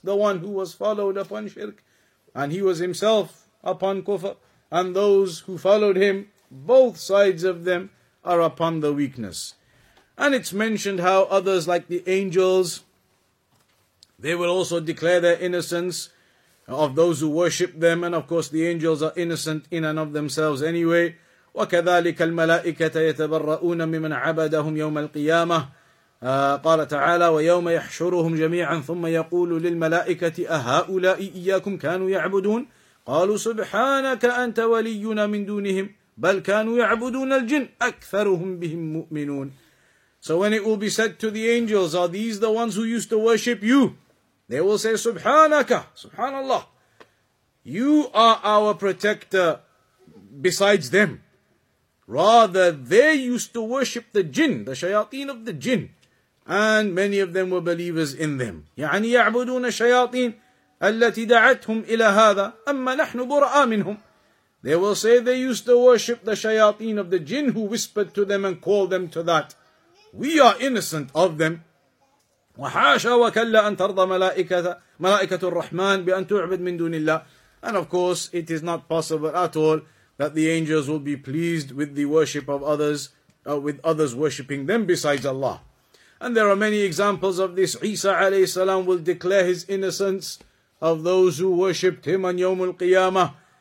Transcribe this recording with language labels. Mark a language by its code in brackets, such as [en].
[en] The one who was followed upon shirk, and he was himself upon kufr, and those who followed him, both sides of them are upon the weakness. And it's mentioned how others like the angels, they will also declare their innocence of those who worship them. And of course the angels are innocent in and of themselves anyway. [ar] وَكَذَلِكَ الْمَلَائِكَةَ يَتَبَرَّؤُونَ مِمَنْ عَبَدَهُمْ يَوْمَ الْقِيَامَةِ قال تعالى ويوم يحشرهم جميعا ثم يقول للملائكة أهؤلاء إياكم كانوا يعبدون قالوا سبحانك أنت ولينا من دونهم بل كانوا يعبدون الجن أكثرهم بهم مؤمنون. [en] So when it will be said to the angels, are these the ones who used to worship you? They will say سبحانك, Subhanallah, you are our protector besides them. Rather, they used to worship the jinn, the shayateen of the jinn. And many of them were believers in them. [ar] يعني يعبدون الشياطين التي دعتهم إلى هذا أما نحن براء منهم. [en] They will say they used to worship the shayateen of the jinn who whispered to them and called them to that. We are innocent of them. [ar] وحاشا وكلا أن ترضى ملائكة الرحمن بأن تعبد من دون الله. [en] And of course it is not possible at all that the angels will be pleased with the worship of others, with others worshipping them besides Allah. And there are many examples of this. Isa alayhi salam will declare his innocence of those who worshipped him on Yawm al-Qiyamah.